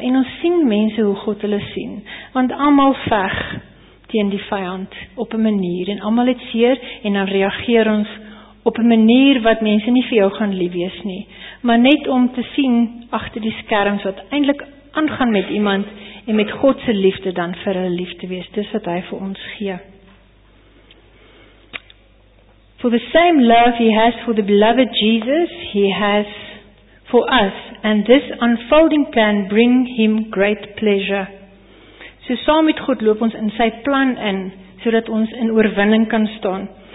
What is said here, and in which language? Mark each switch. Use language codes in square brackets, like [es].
[af] En ons sien mense hoe God hulle sien. Want almal veg teen die vyand op 'n manier en almal het seer en dan reageer ons op 'n manier wat mense nie vir jou gaan lief wees nie. Maar net om te sien agter die skerms wat eintlik aangaan met iemand en met God se liefde dan vir hulle lief te wees, dis wat hy vir ons gee. [en] For the same love he has for the beloved Jesus, he has for us. And this unfolding plan bring him great pleasure. [af] So saam met God loop ons in sy plan in, sodat ons in oorwinning kan staan.